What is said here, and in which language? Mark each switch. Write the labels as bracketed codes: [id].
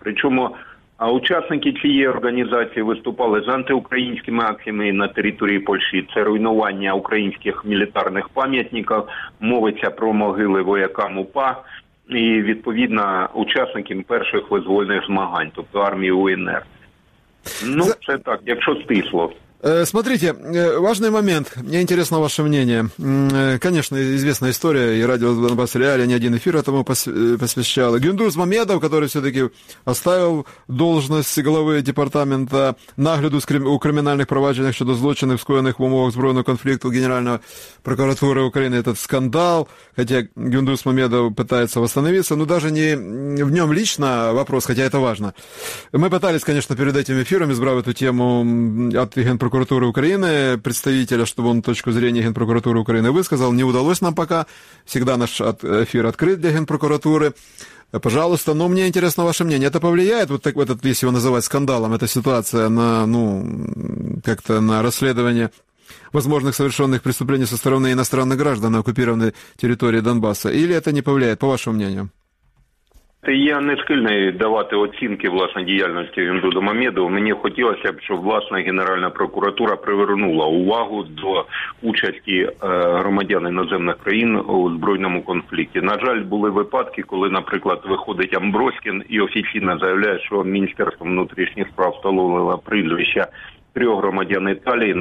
[uk] Причому учасники цієї організації виступали з антиукраїнськими акціями на території Польщі. Це руйнування українських мілітарних пам'ятників, мовиться про могили воякам УПА і, відповідно, учасникам перших визвольних змагань, тобто армії УНР. Ну, це так, якщо стисло. [ru] Смотрите, важный момент. Мне интересно ваше мнение. Конечно, известная история, и радио «Донбасс Реали» ни один эфир этому посвящал. Гюндурс Мамедов, который все-таки оставил должность главы департамента нагляду у криминальных проваджений [uk] щодо злочинів, скоєних в умовах збройного конфлікту Генеральної прокуратури України, [ru] этот скандал, хотя Гюндурс Мамедов пытается восстановиться, но даже не в нем лично вопрос, хотя это важно. Мы пытались, конечно, перед этим эфиром избрать эту тему от Генпрокуратуры Украины, представителя, чтобы он точку зрения Генпрокуратуры Украины высказал. Не удалось нам пока. Всегда наш эфир открыт для Генпрокуратуры. Пожалуйста, но мне интересно ваше мнение. Это повлияет, вот так, этот, если его называть скандалом, эта ситуация на, ну, как-то на расследование возможных совершенных преступлений со стороны иностранных граждан на оккупированной территории Донбасса? Или это не повлияет, по вашему мнению? [uk] Я не схильний давати оцінки власне діяльності Гюндурса Мамедова. Мені хотілося б, щоб власне Генеральна прокуратура привернула увагу до участі громадян іноземних країн у збройному конфлікті. На жаль, були випадки, коли, наприклад, виходить Амброскін і офіційно заявляє, що Міністерство внутрішніх справ встановило прізвища трьох громадян Італії.